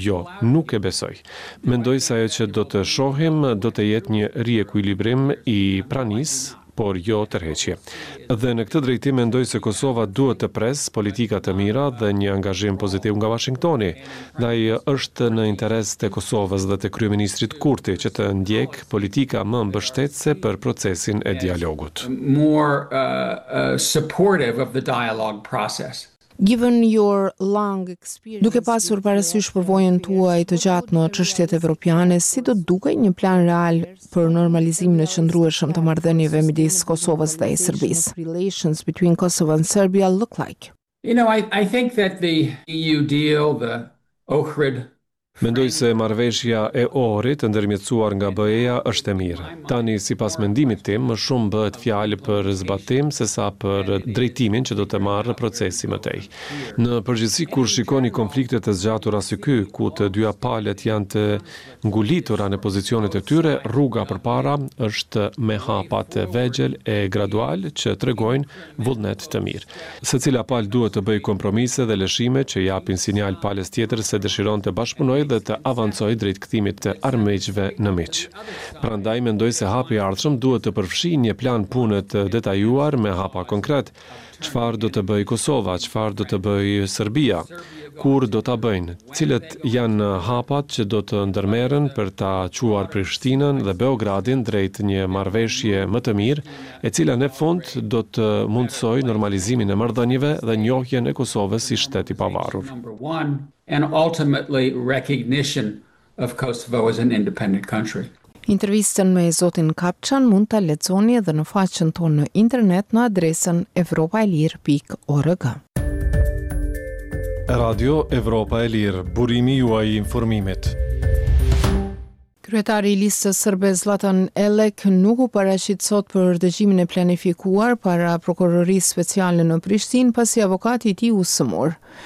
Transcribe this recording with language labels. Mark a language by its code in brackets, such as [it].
[sq] Jo, nuk e besoj. Mendoj se ajo që do të shohim do të jetë një riekuilibrim i pranisë, por jo tërheqje. Dhe në këtë drejtim mendoj se Kosova duhet të presë politika të mira dhe një angazhim pozitiv nga Washingtoni. Ndaj është në interes të Kosovës dhe të kryeministrit Kurti që të ndjek politika më mbështetëse për procesin e dialogut. [en] More supportive of the dialogue process. Given your long experience, [sq] duke pasur parasysh përvojën tuaj të gjatë në çështjet evropiane, si do dukej një plan real për normalizimin e qëndrueshëm të marrëdhënieve midis Kosovës dhe Serbisë? [en] Relations between Kosovo and Serbia look like. You know, I think that the EU deal, the Ohrid. [sq] Mendoj se marrëveshja e Ohrit, ndërmjetësuar nga BE-ja, është e mirë. Tani, sipas mendimit tim, më shumë bëhet fjalë për zbatim sesa për drejtimin që do të marrë procesi më tej. Në përgjithësi, kur shikoni konfliktet e zgjatura si ky, ku të dyja palët janë të ngulitura në pozicionet e tyre, rruga përpara është me hapat e vegjël e gradual që tregojnë vullnet të mirë. Secila palë duhet të bëjë kompromise dhe lëshime që japin sinjal palës tjetër se dëshiron të bashkëpunojë dhe të avancoj drejt kthimit të armiqve në miq. Prandaj mendoj se hapi i ardhshëm duhet të përfshijë një plan pune të detajuar me hapa konkret. Çfarë do të bëjë Kosova, çfarë do të bëjë Serbia, kur do ta bëjnë, cilët janë hapat që do të ndërmerren për ta çuar Prishtinën dhe Beogradin drejt një marrëveshje më të mirë, e cila në fund do të mundësojë normalizimin e marrëdhënieve dhe njohjen e Kosovës si shtet i pavarur. [en] And ultimately recognition of Kosovo as an independent country. [sq] Intervistën me zotin Kapçan mund ta lexoni edhe në faqen tonë në internet në adresën europaelir.org. Radio Evropa e Lirë, burimi juaj i informimit. Kryetari i listës sërbe Zlatan Elek nuk u paraqit sot për dëgjimin e planifikuar para prokurorisë speciale në Prishtinë pasi avokati i tij u sëmur.